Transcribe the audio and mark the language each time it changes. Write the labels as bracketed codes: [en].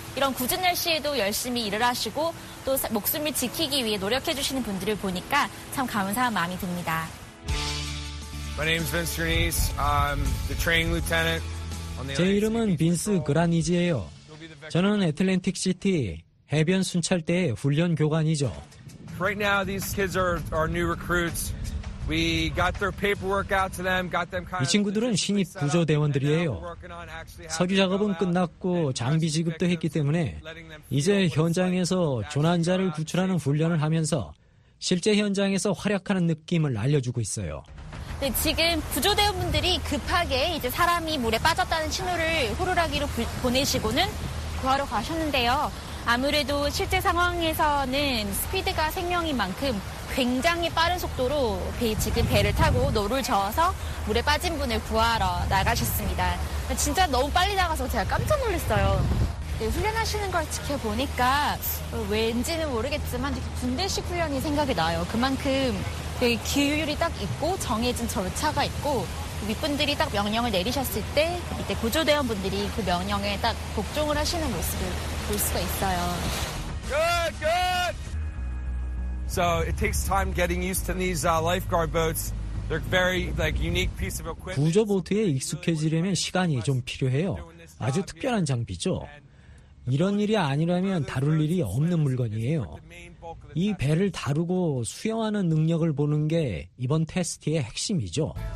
[ko] 이런 궂은 날씨에도 열심히 일을 하시고 또 목숨을 지키기 위해 노력해주시는 분들을 보니까 참 감사한 마음이 듭니다. [en] My name is Vince Grenese. I'm the training lieutenant. [ko] 제 이름은 빈스 그라니지예요. 저는 애틀랜틱 시티 해변 순찰대의 훈련 교관이죠. [en] Right now, these kids are our new recruits. We got their paperwork out to them, got them kind of. [ko] 이 친구들은 신입 구조 대원들이에요. 서류 작업은 끝났고 장비 지급도 했기 때문에 이제 현장에서 조난자를 구출하는 훈련을 하면서 실제 현장에서 활약하는 느낌을 알려주고 있어요. 네, 지금 구조대원분들이 급하게 이제 사람이 물에 빠졌다는 신호를 호루라기로 보내시고는 구하러 가셨는데요. 아무래도 실제 상황에서는 스피드가 생명인 만큼 굉장히 빠른 속도로 지금 배를 타고 노를 저어서 물에 빠진 분을 구하러 나가셨습니다. 진짜 너무 빨리 나가서 제가 깜짝 놀랐어요. 네, 훈련하시는 걸 지켜보니까 왠지는 모르겠지만 군대식 훈련이 생각이 나요. 그만큼 규율이 딱 있고 정해진 절차가 있고 윗분들이 딱 명령을 내리셨을 때 이때 구조대원분들이 그 명령에 딱 복종을 하시는 모습을 볼 수가 있어요. [en] Good, good! So it takes time getting used to these lifeguard boats. They're very like unique piece of equipment. [ko] 구조보트에 익숙해지려면 시간이 좀 필요해요. 아주 특별한 장비죠. 이런 일이 아니라면 다룰 일이 없는 물건이에요. 이 배를 다루고 수영하는 능력을 보는 게 이번 테스트의 핵심이죠.